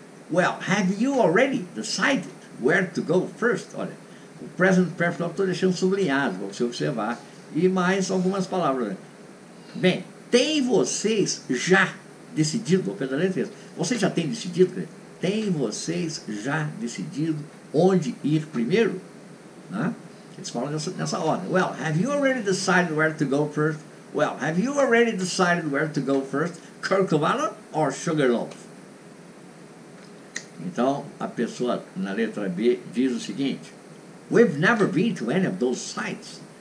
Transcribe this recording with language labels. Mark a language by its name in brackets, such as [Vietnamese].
[English] Well, have you already decided where to go first? [Portuguese] Olha, o present perfect eu estou deixando sublinhado, para você observar. E mais algumas palavras. Bem, tem vocês já decidido, vou pegar a letra, vocês já têm decidido, tem vocês já decidido onde ir primeiro? Né? Eles falam nessa ordem. [English] Well, have you already decided where to go first? Well, have you already decided where to go first? Corcovado or Sugarloaf? [Portuguese] Então, a pessoa na letra B diz o seguinte: [English] We've never been to any of those sites.